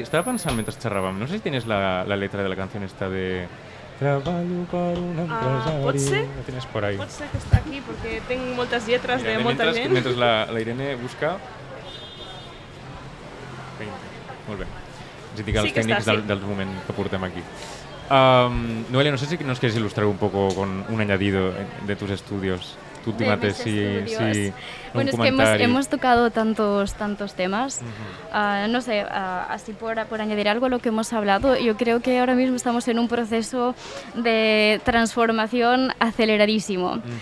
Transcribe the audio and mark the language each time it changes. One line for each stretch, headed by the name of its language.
Catalan: Estava pensant mentre xerràvem, no sé si
Spanish: tienes la letra de la canción esta de...
Catalan: Treballo per un empresari... Pot ser? Pot ser que està aquí, perquè tinc moltes lletres. Mira, de molta gent. Mentre la Irene busca... Molt bé. Els indica els tècnics del moment que portem aquí.
Spanish: Noelia, no sé si nos quieres ilustrar un poco con un añadido de tus estudios, tu última tesis. Sí, bueno, es comentario. Que hemos tocado tantos temas. No sé, así por añadir algo a lo que hemos hablado, yo creo que ahora mismo estamos en un proceso de transformación aceleradísimo.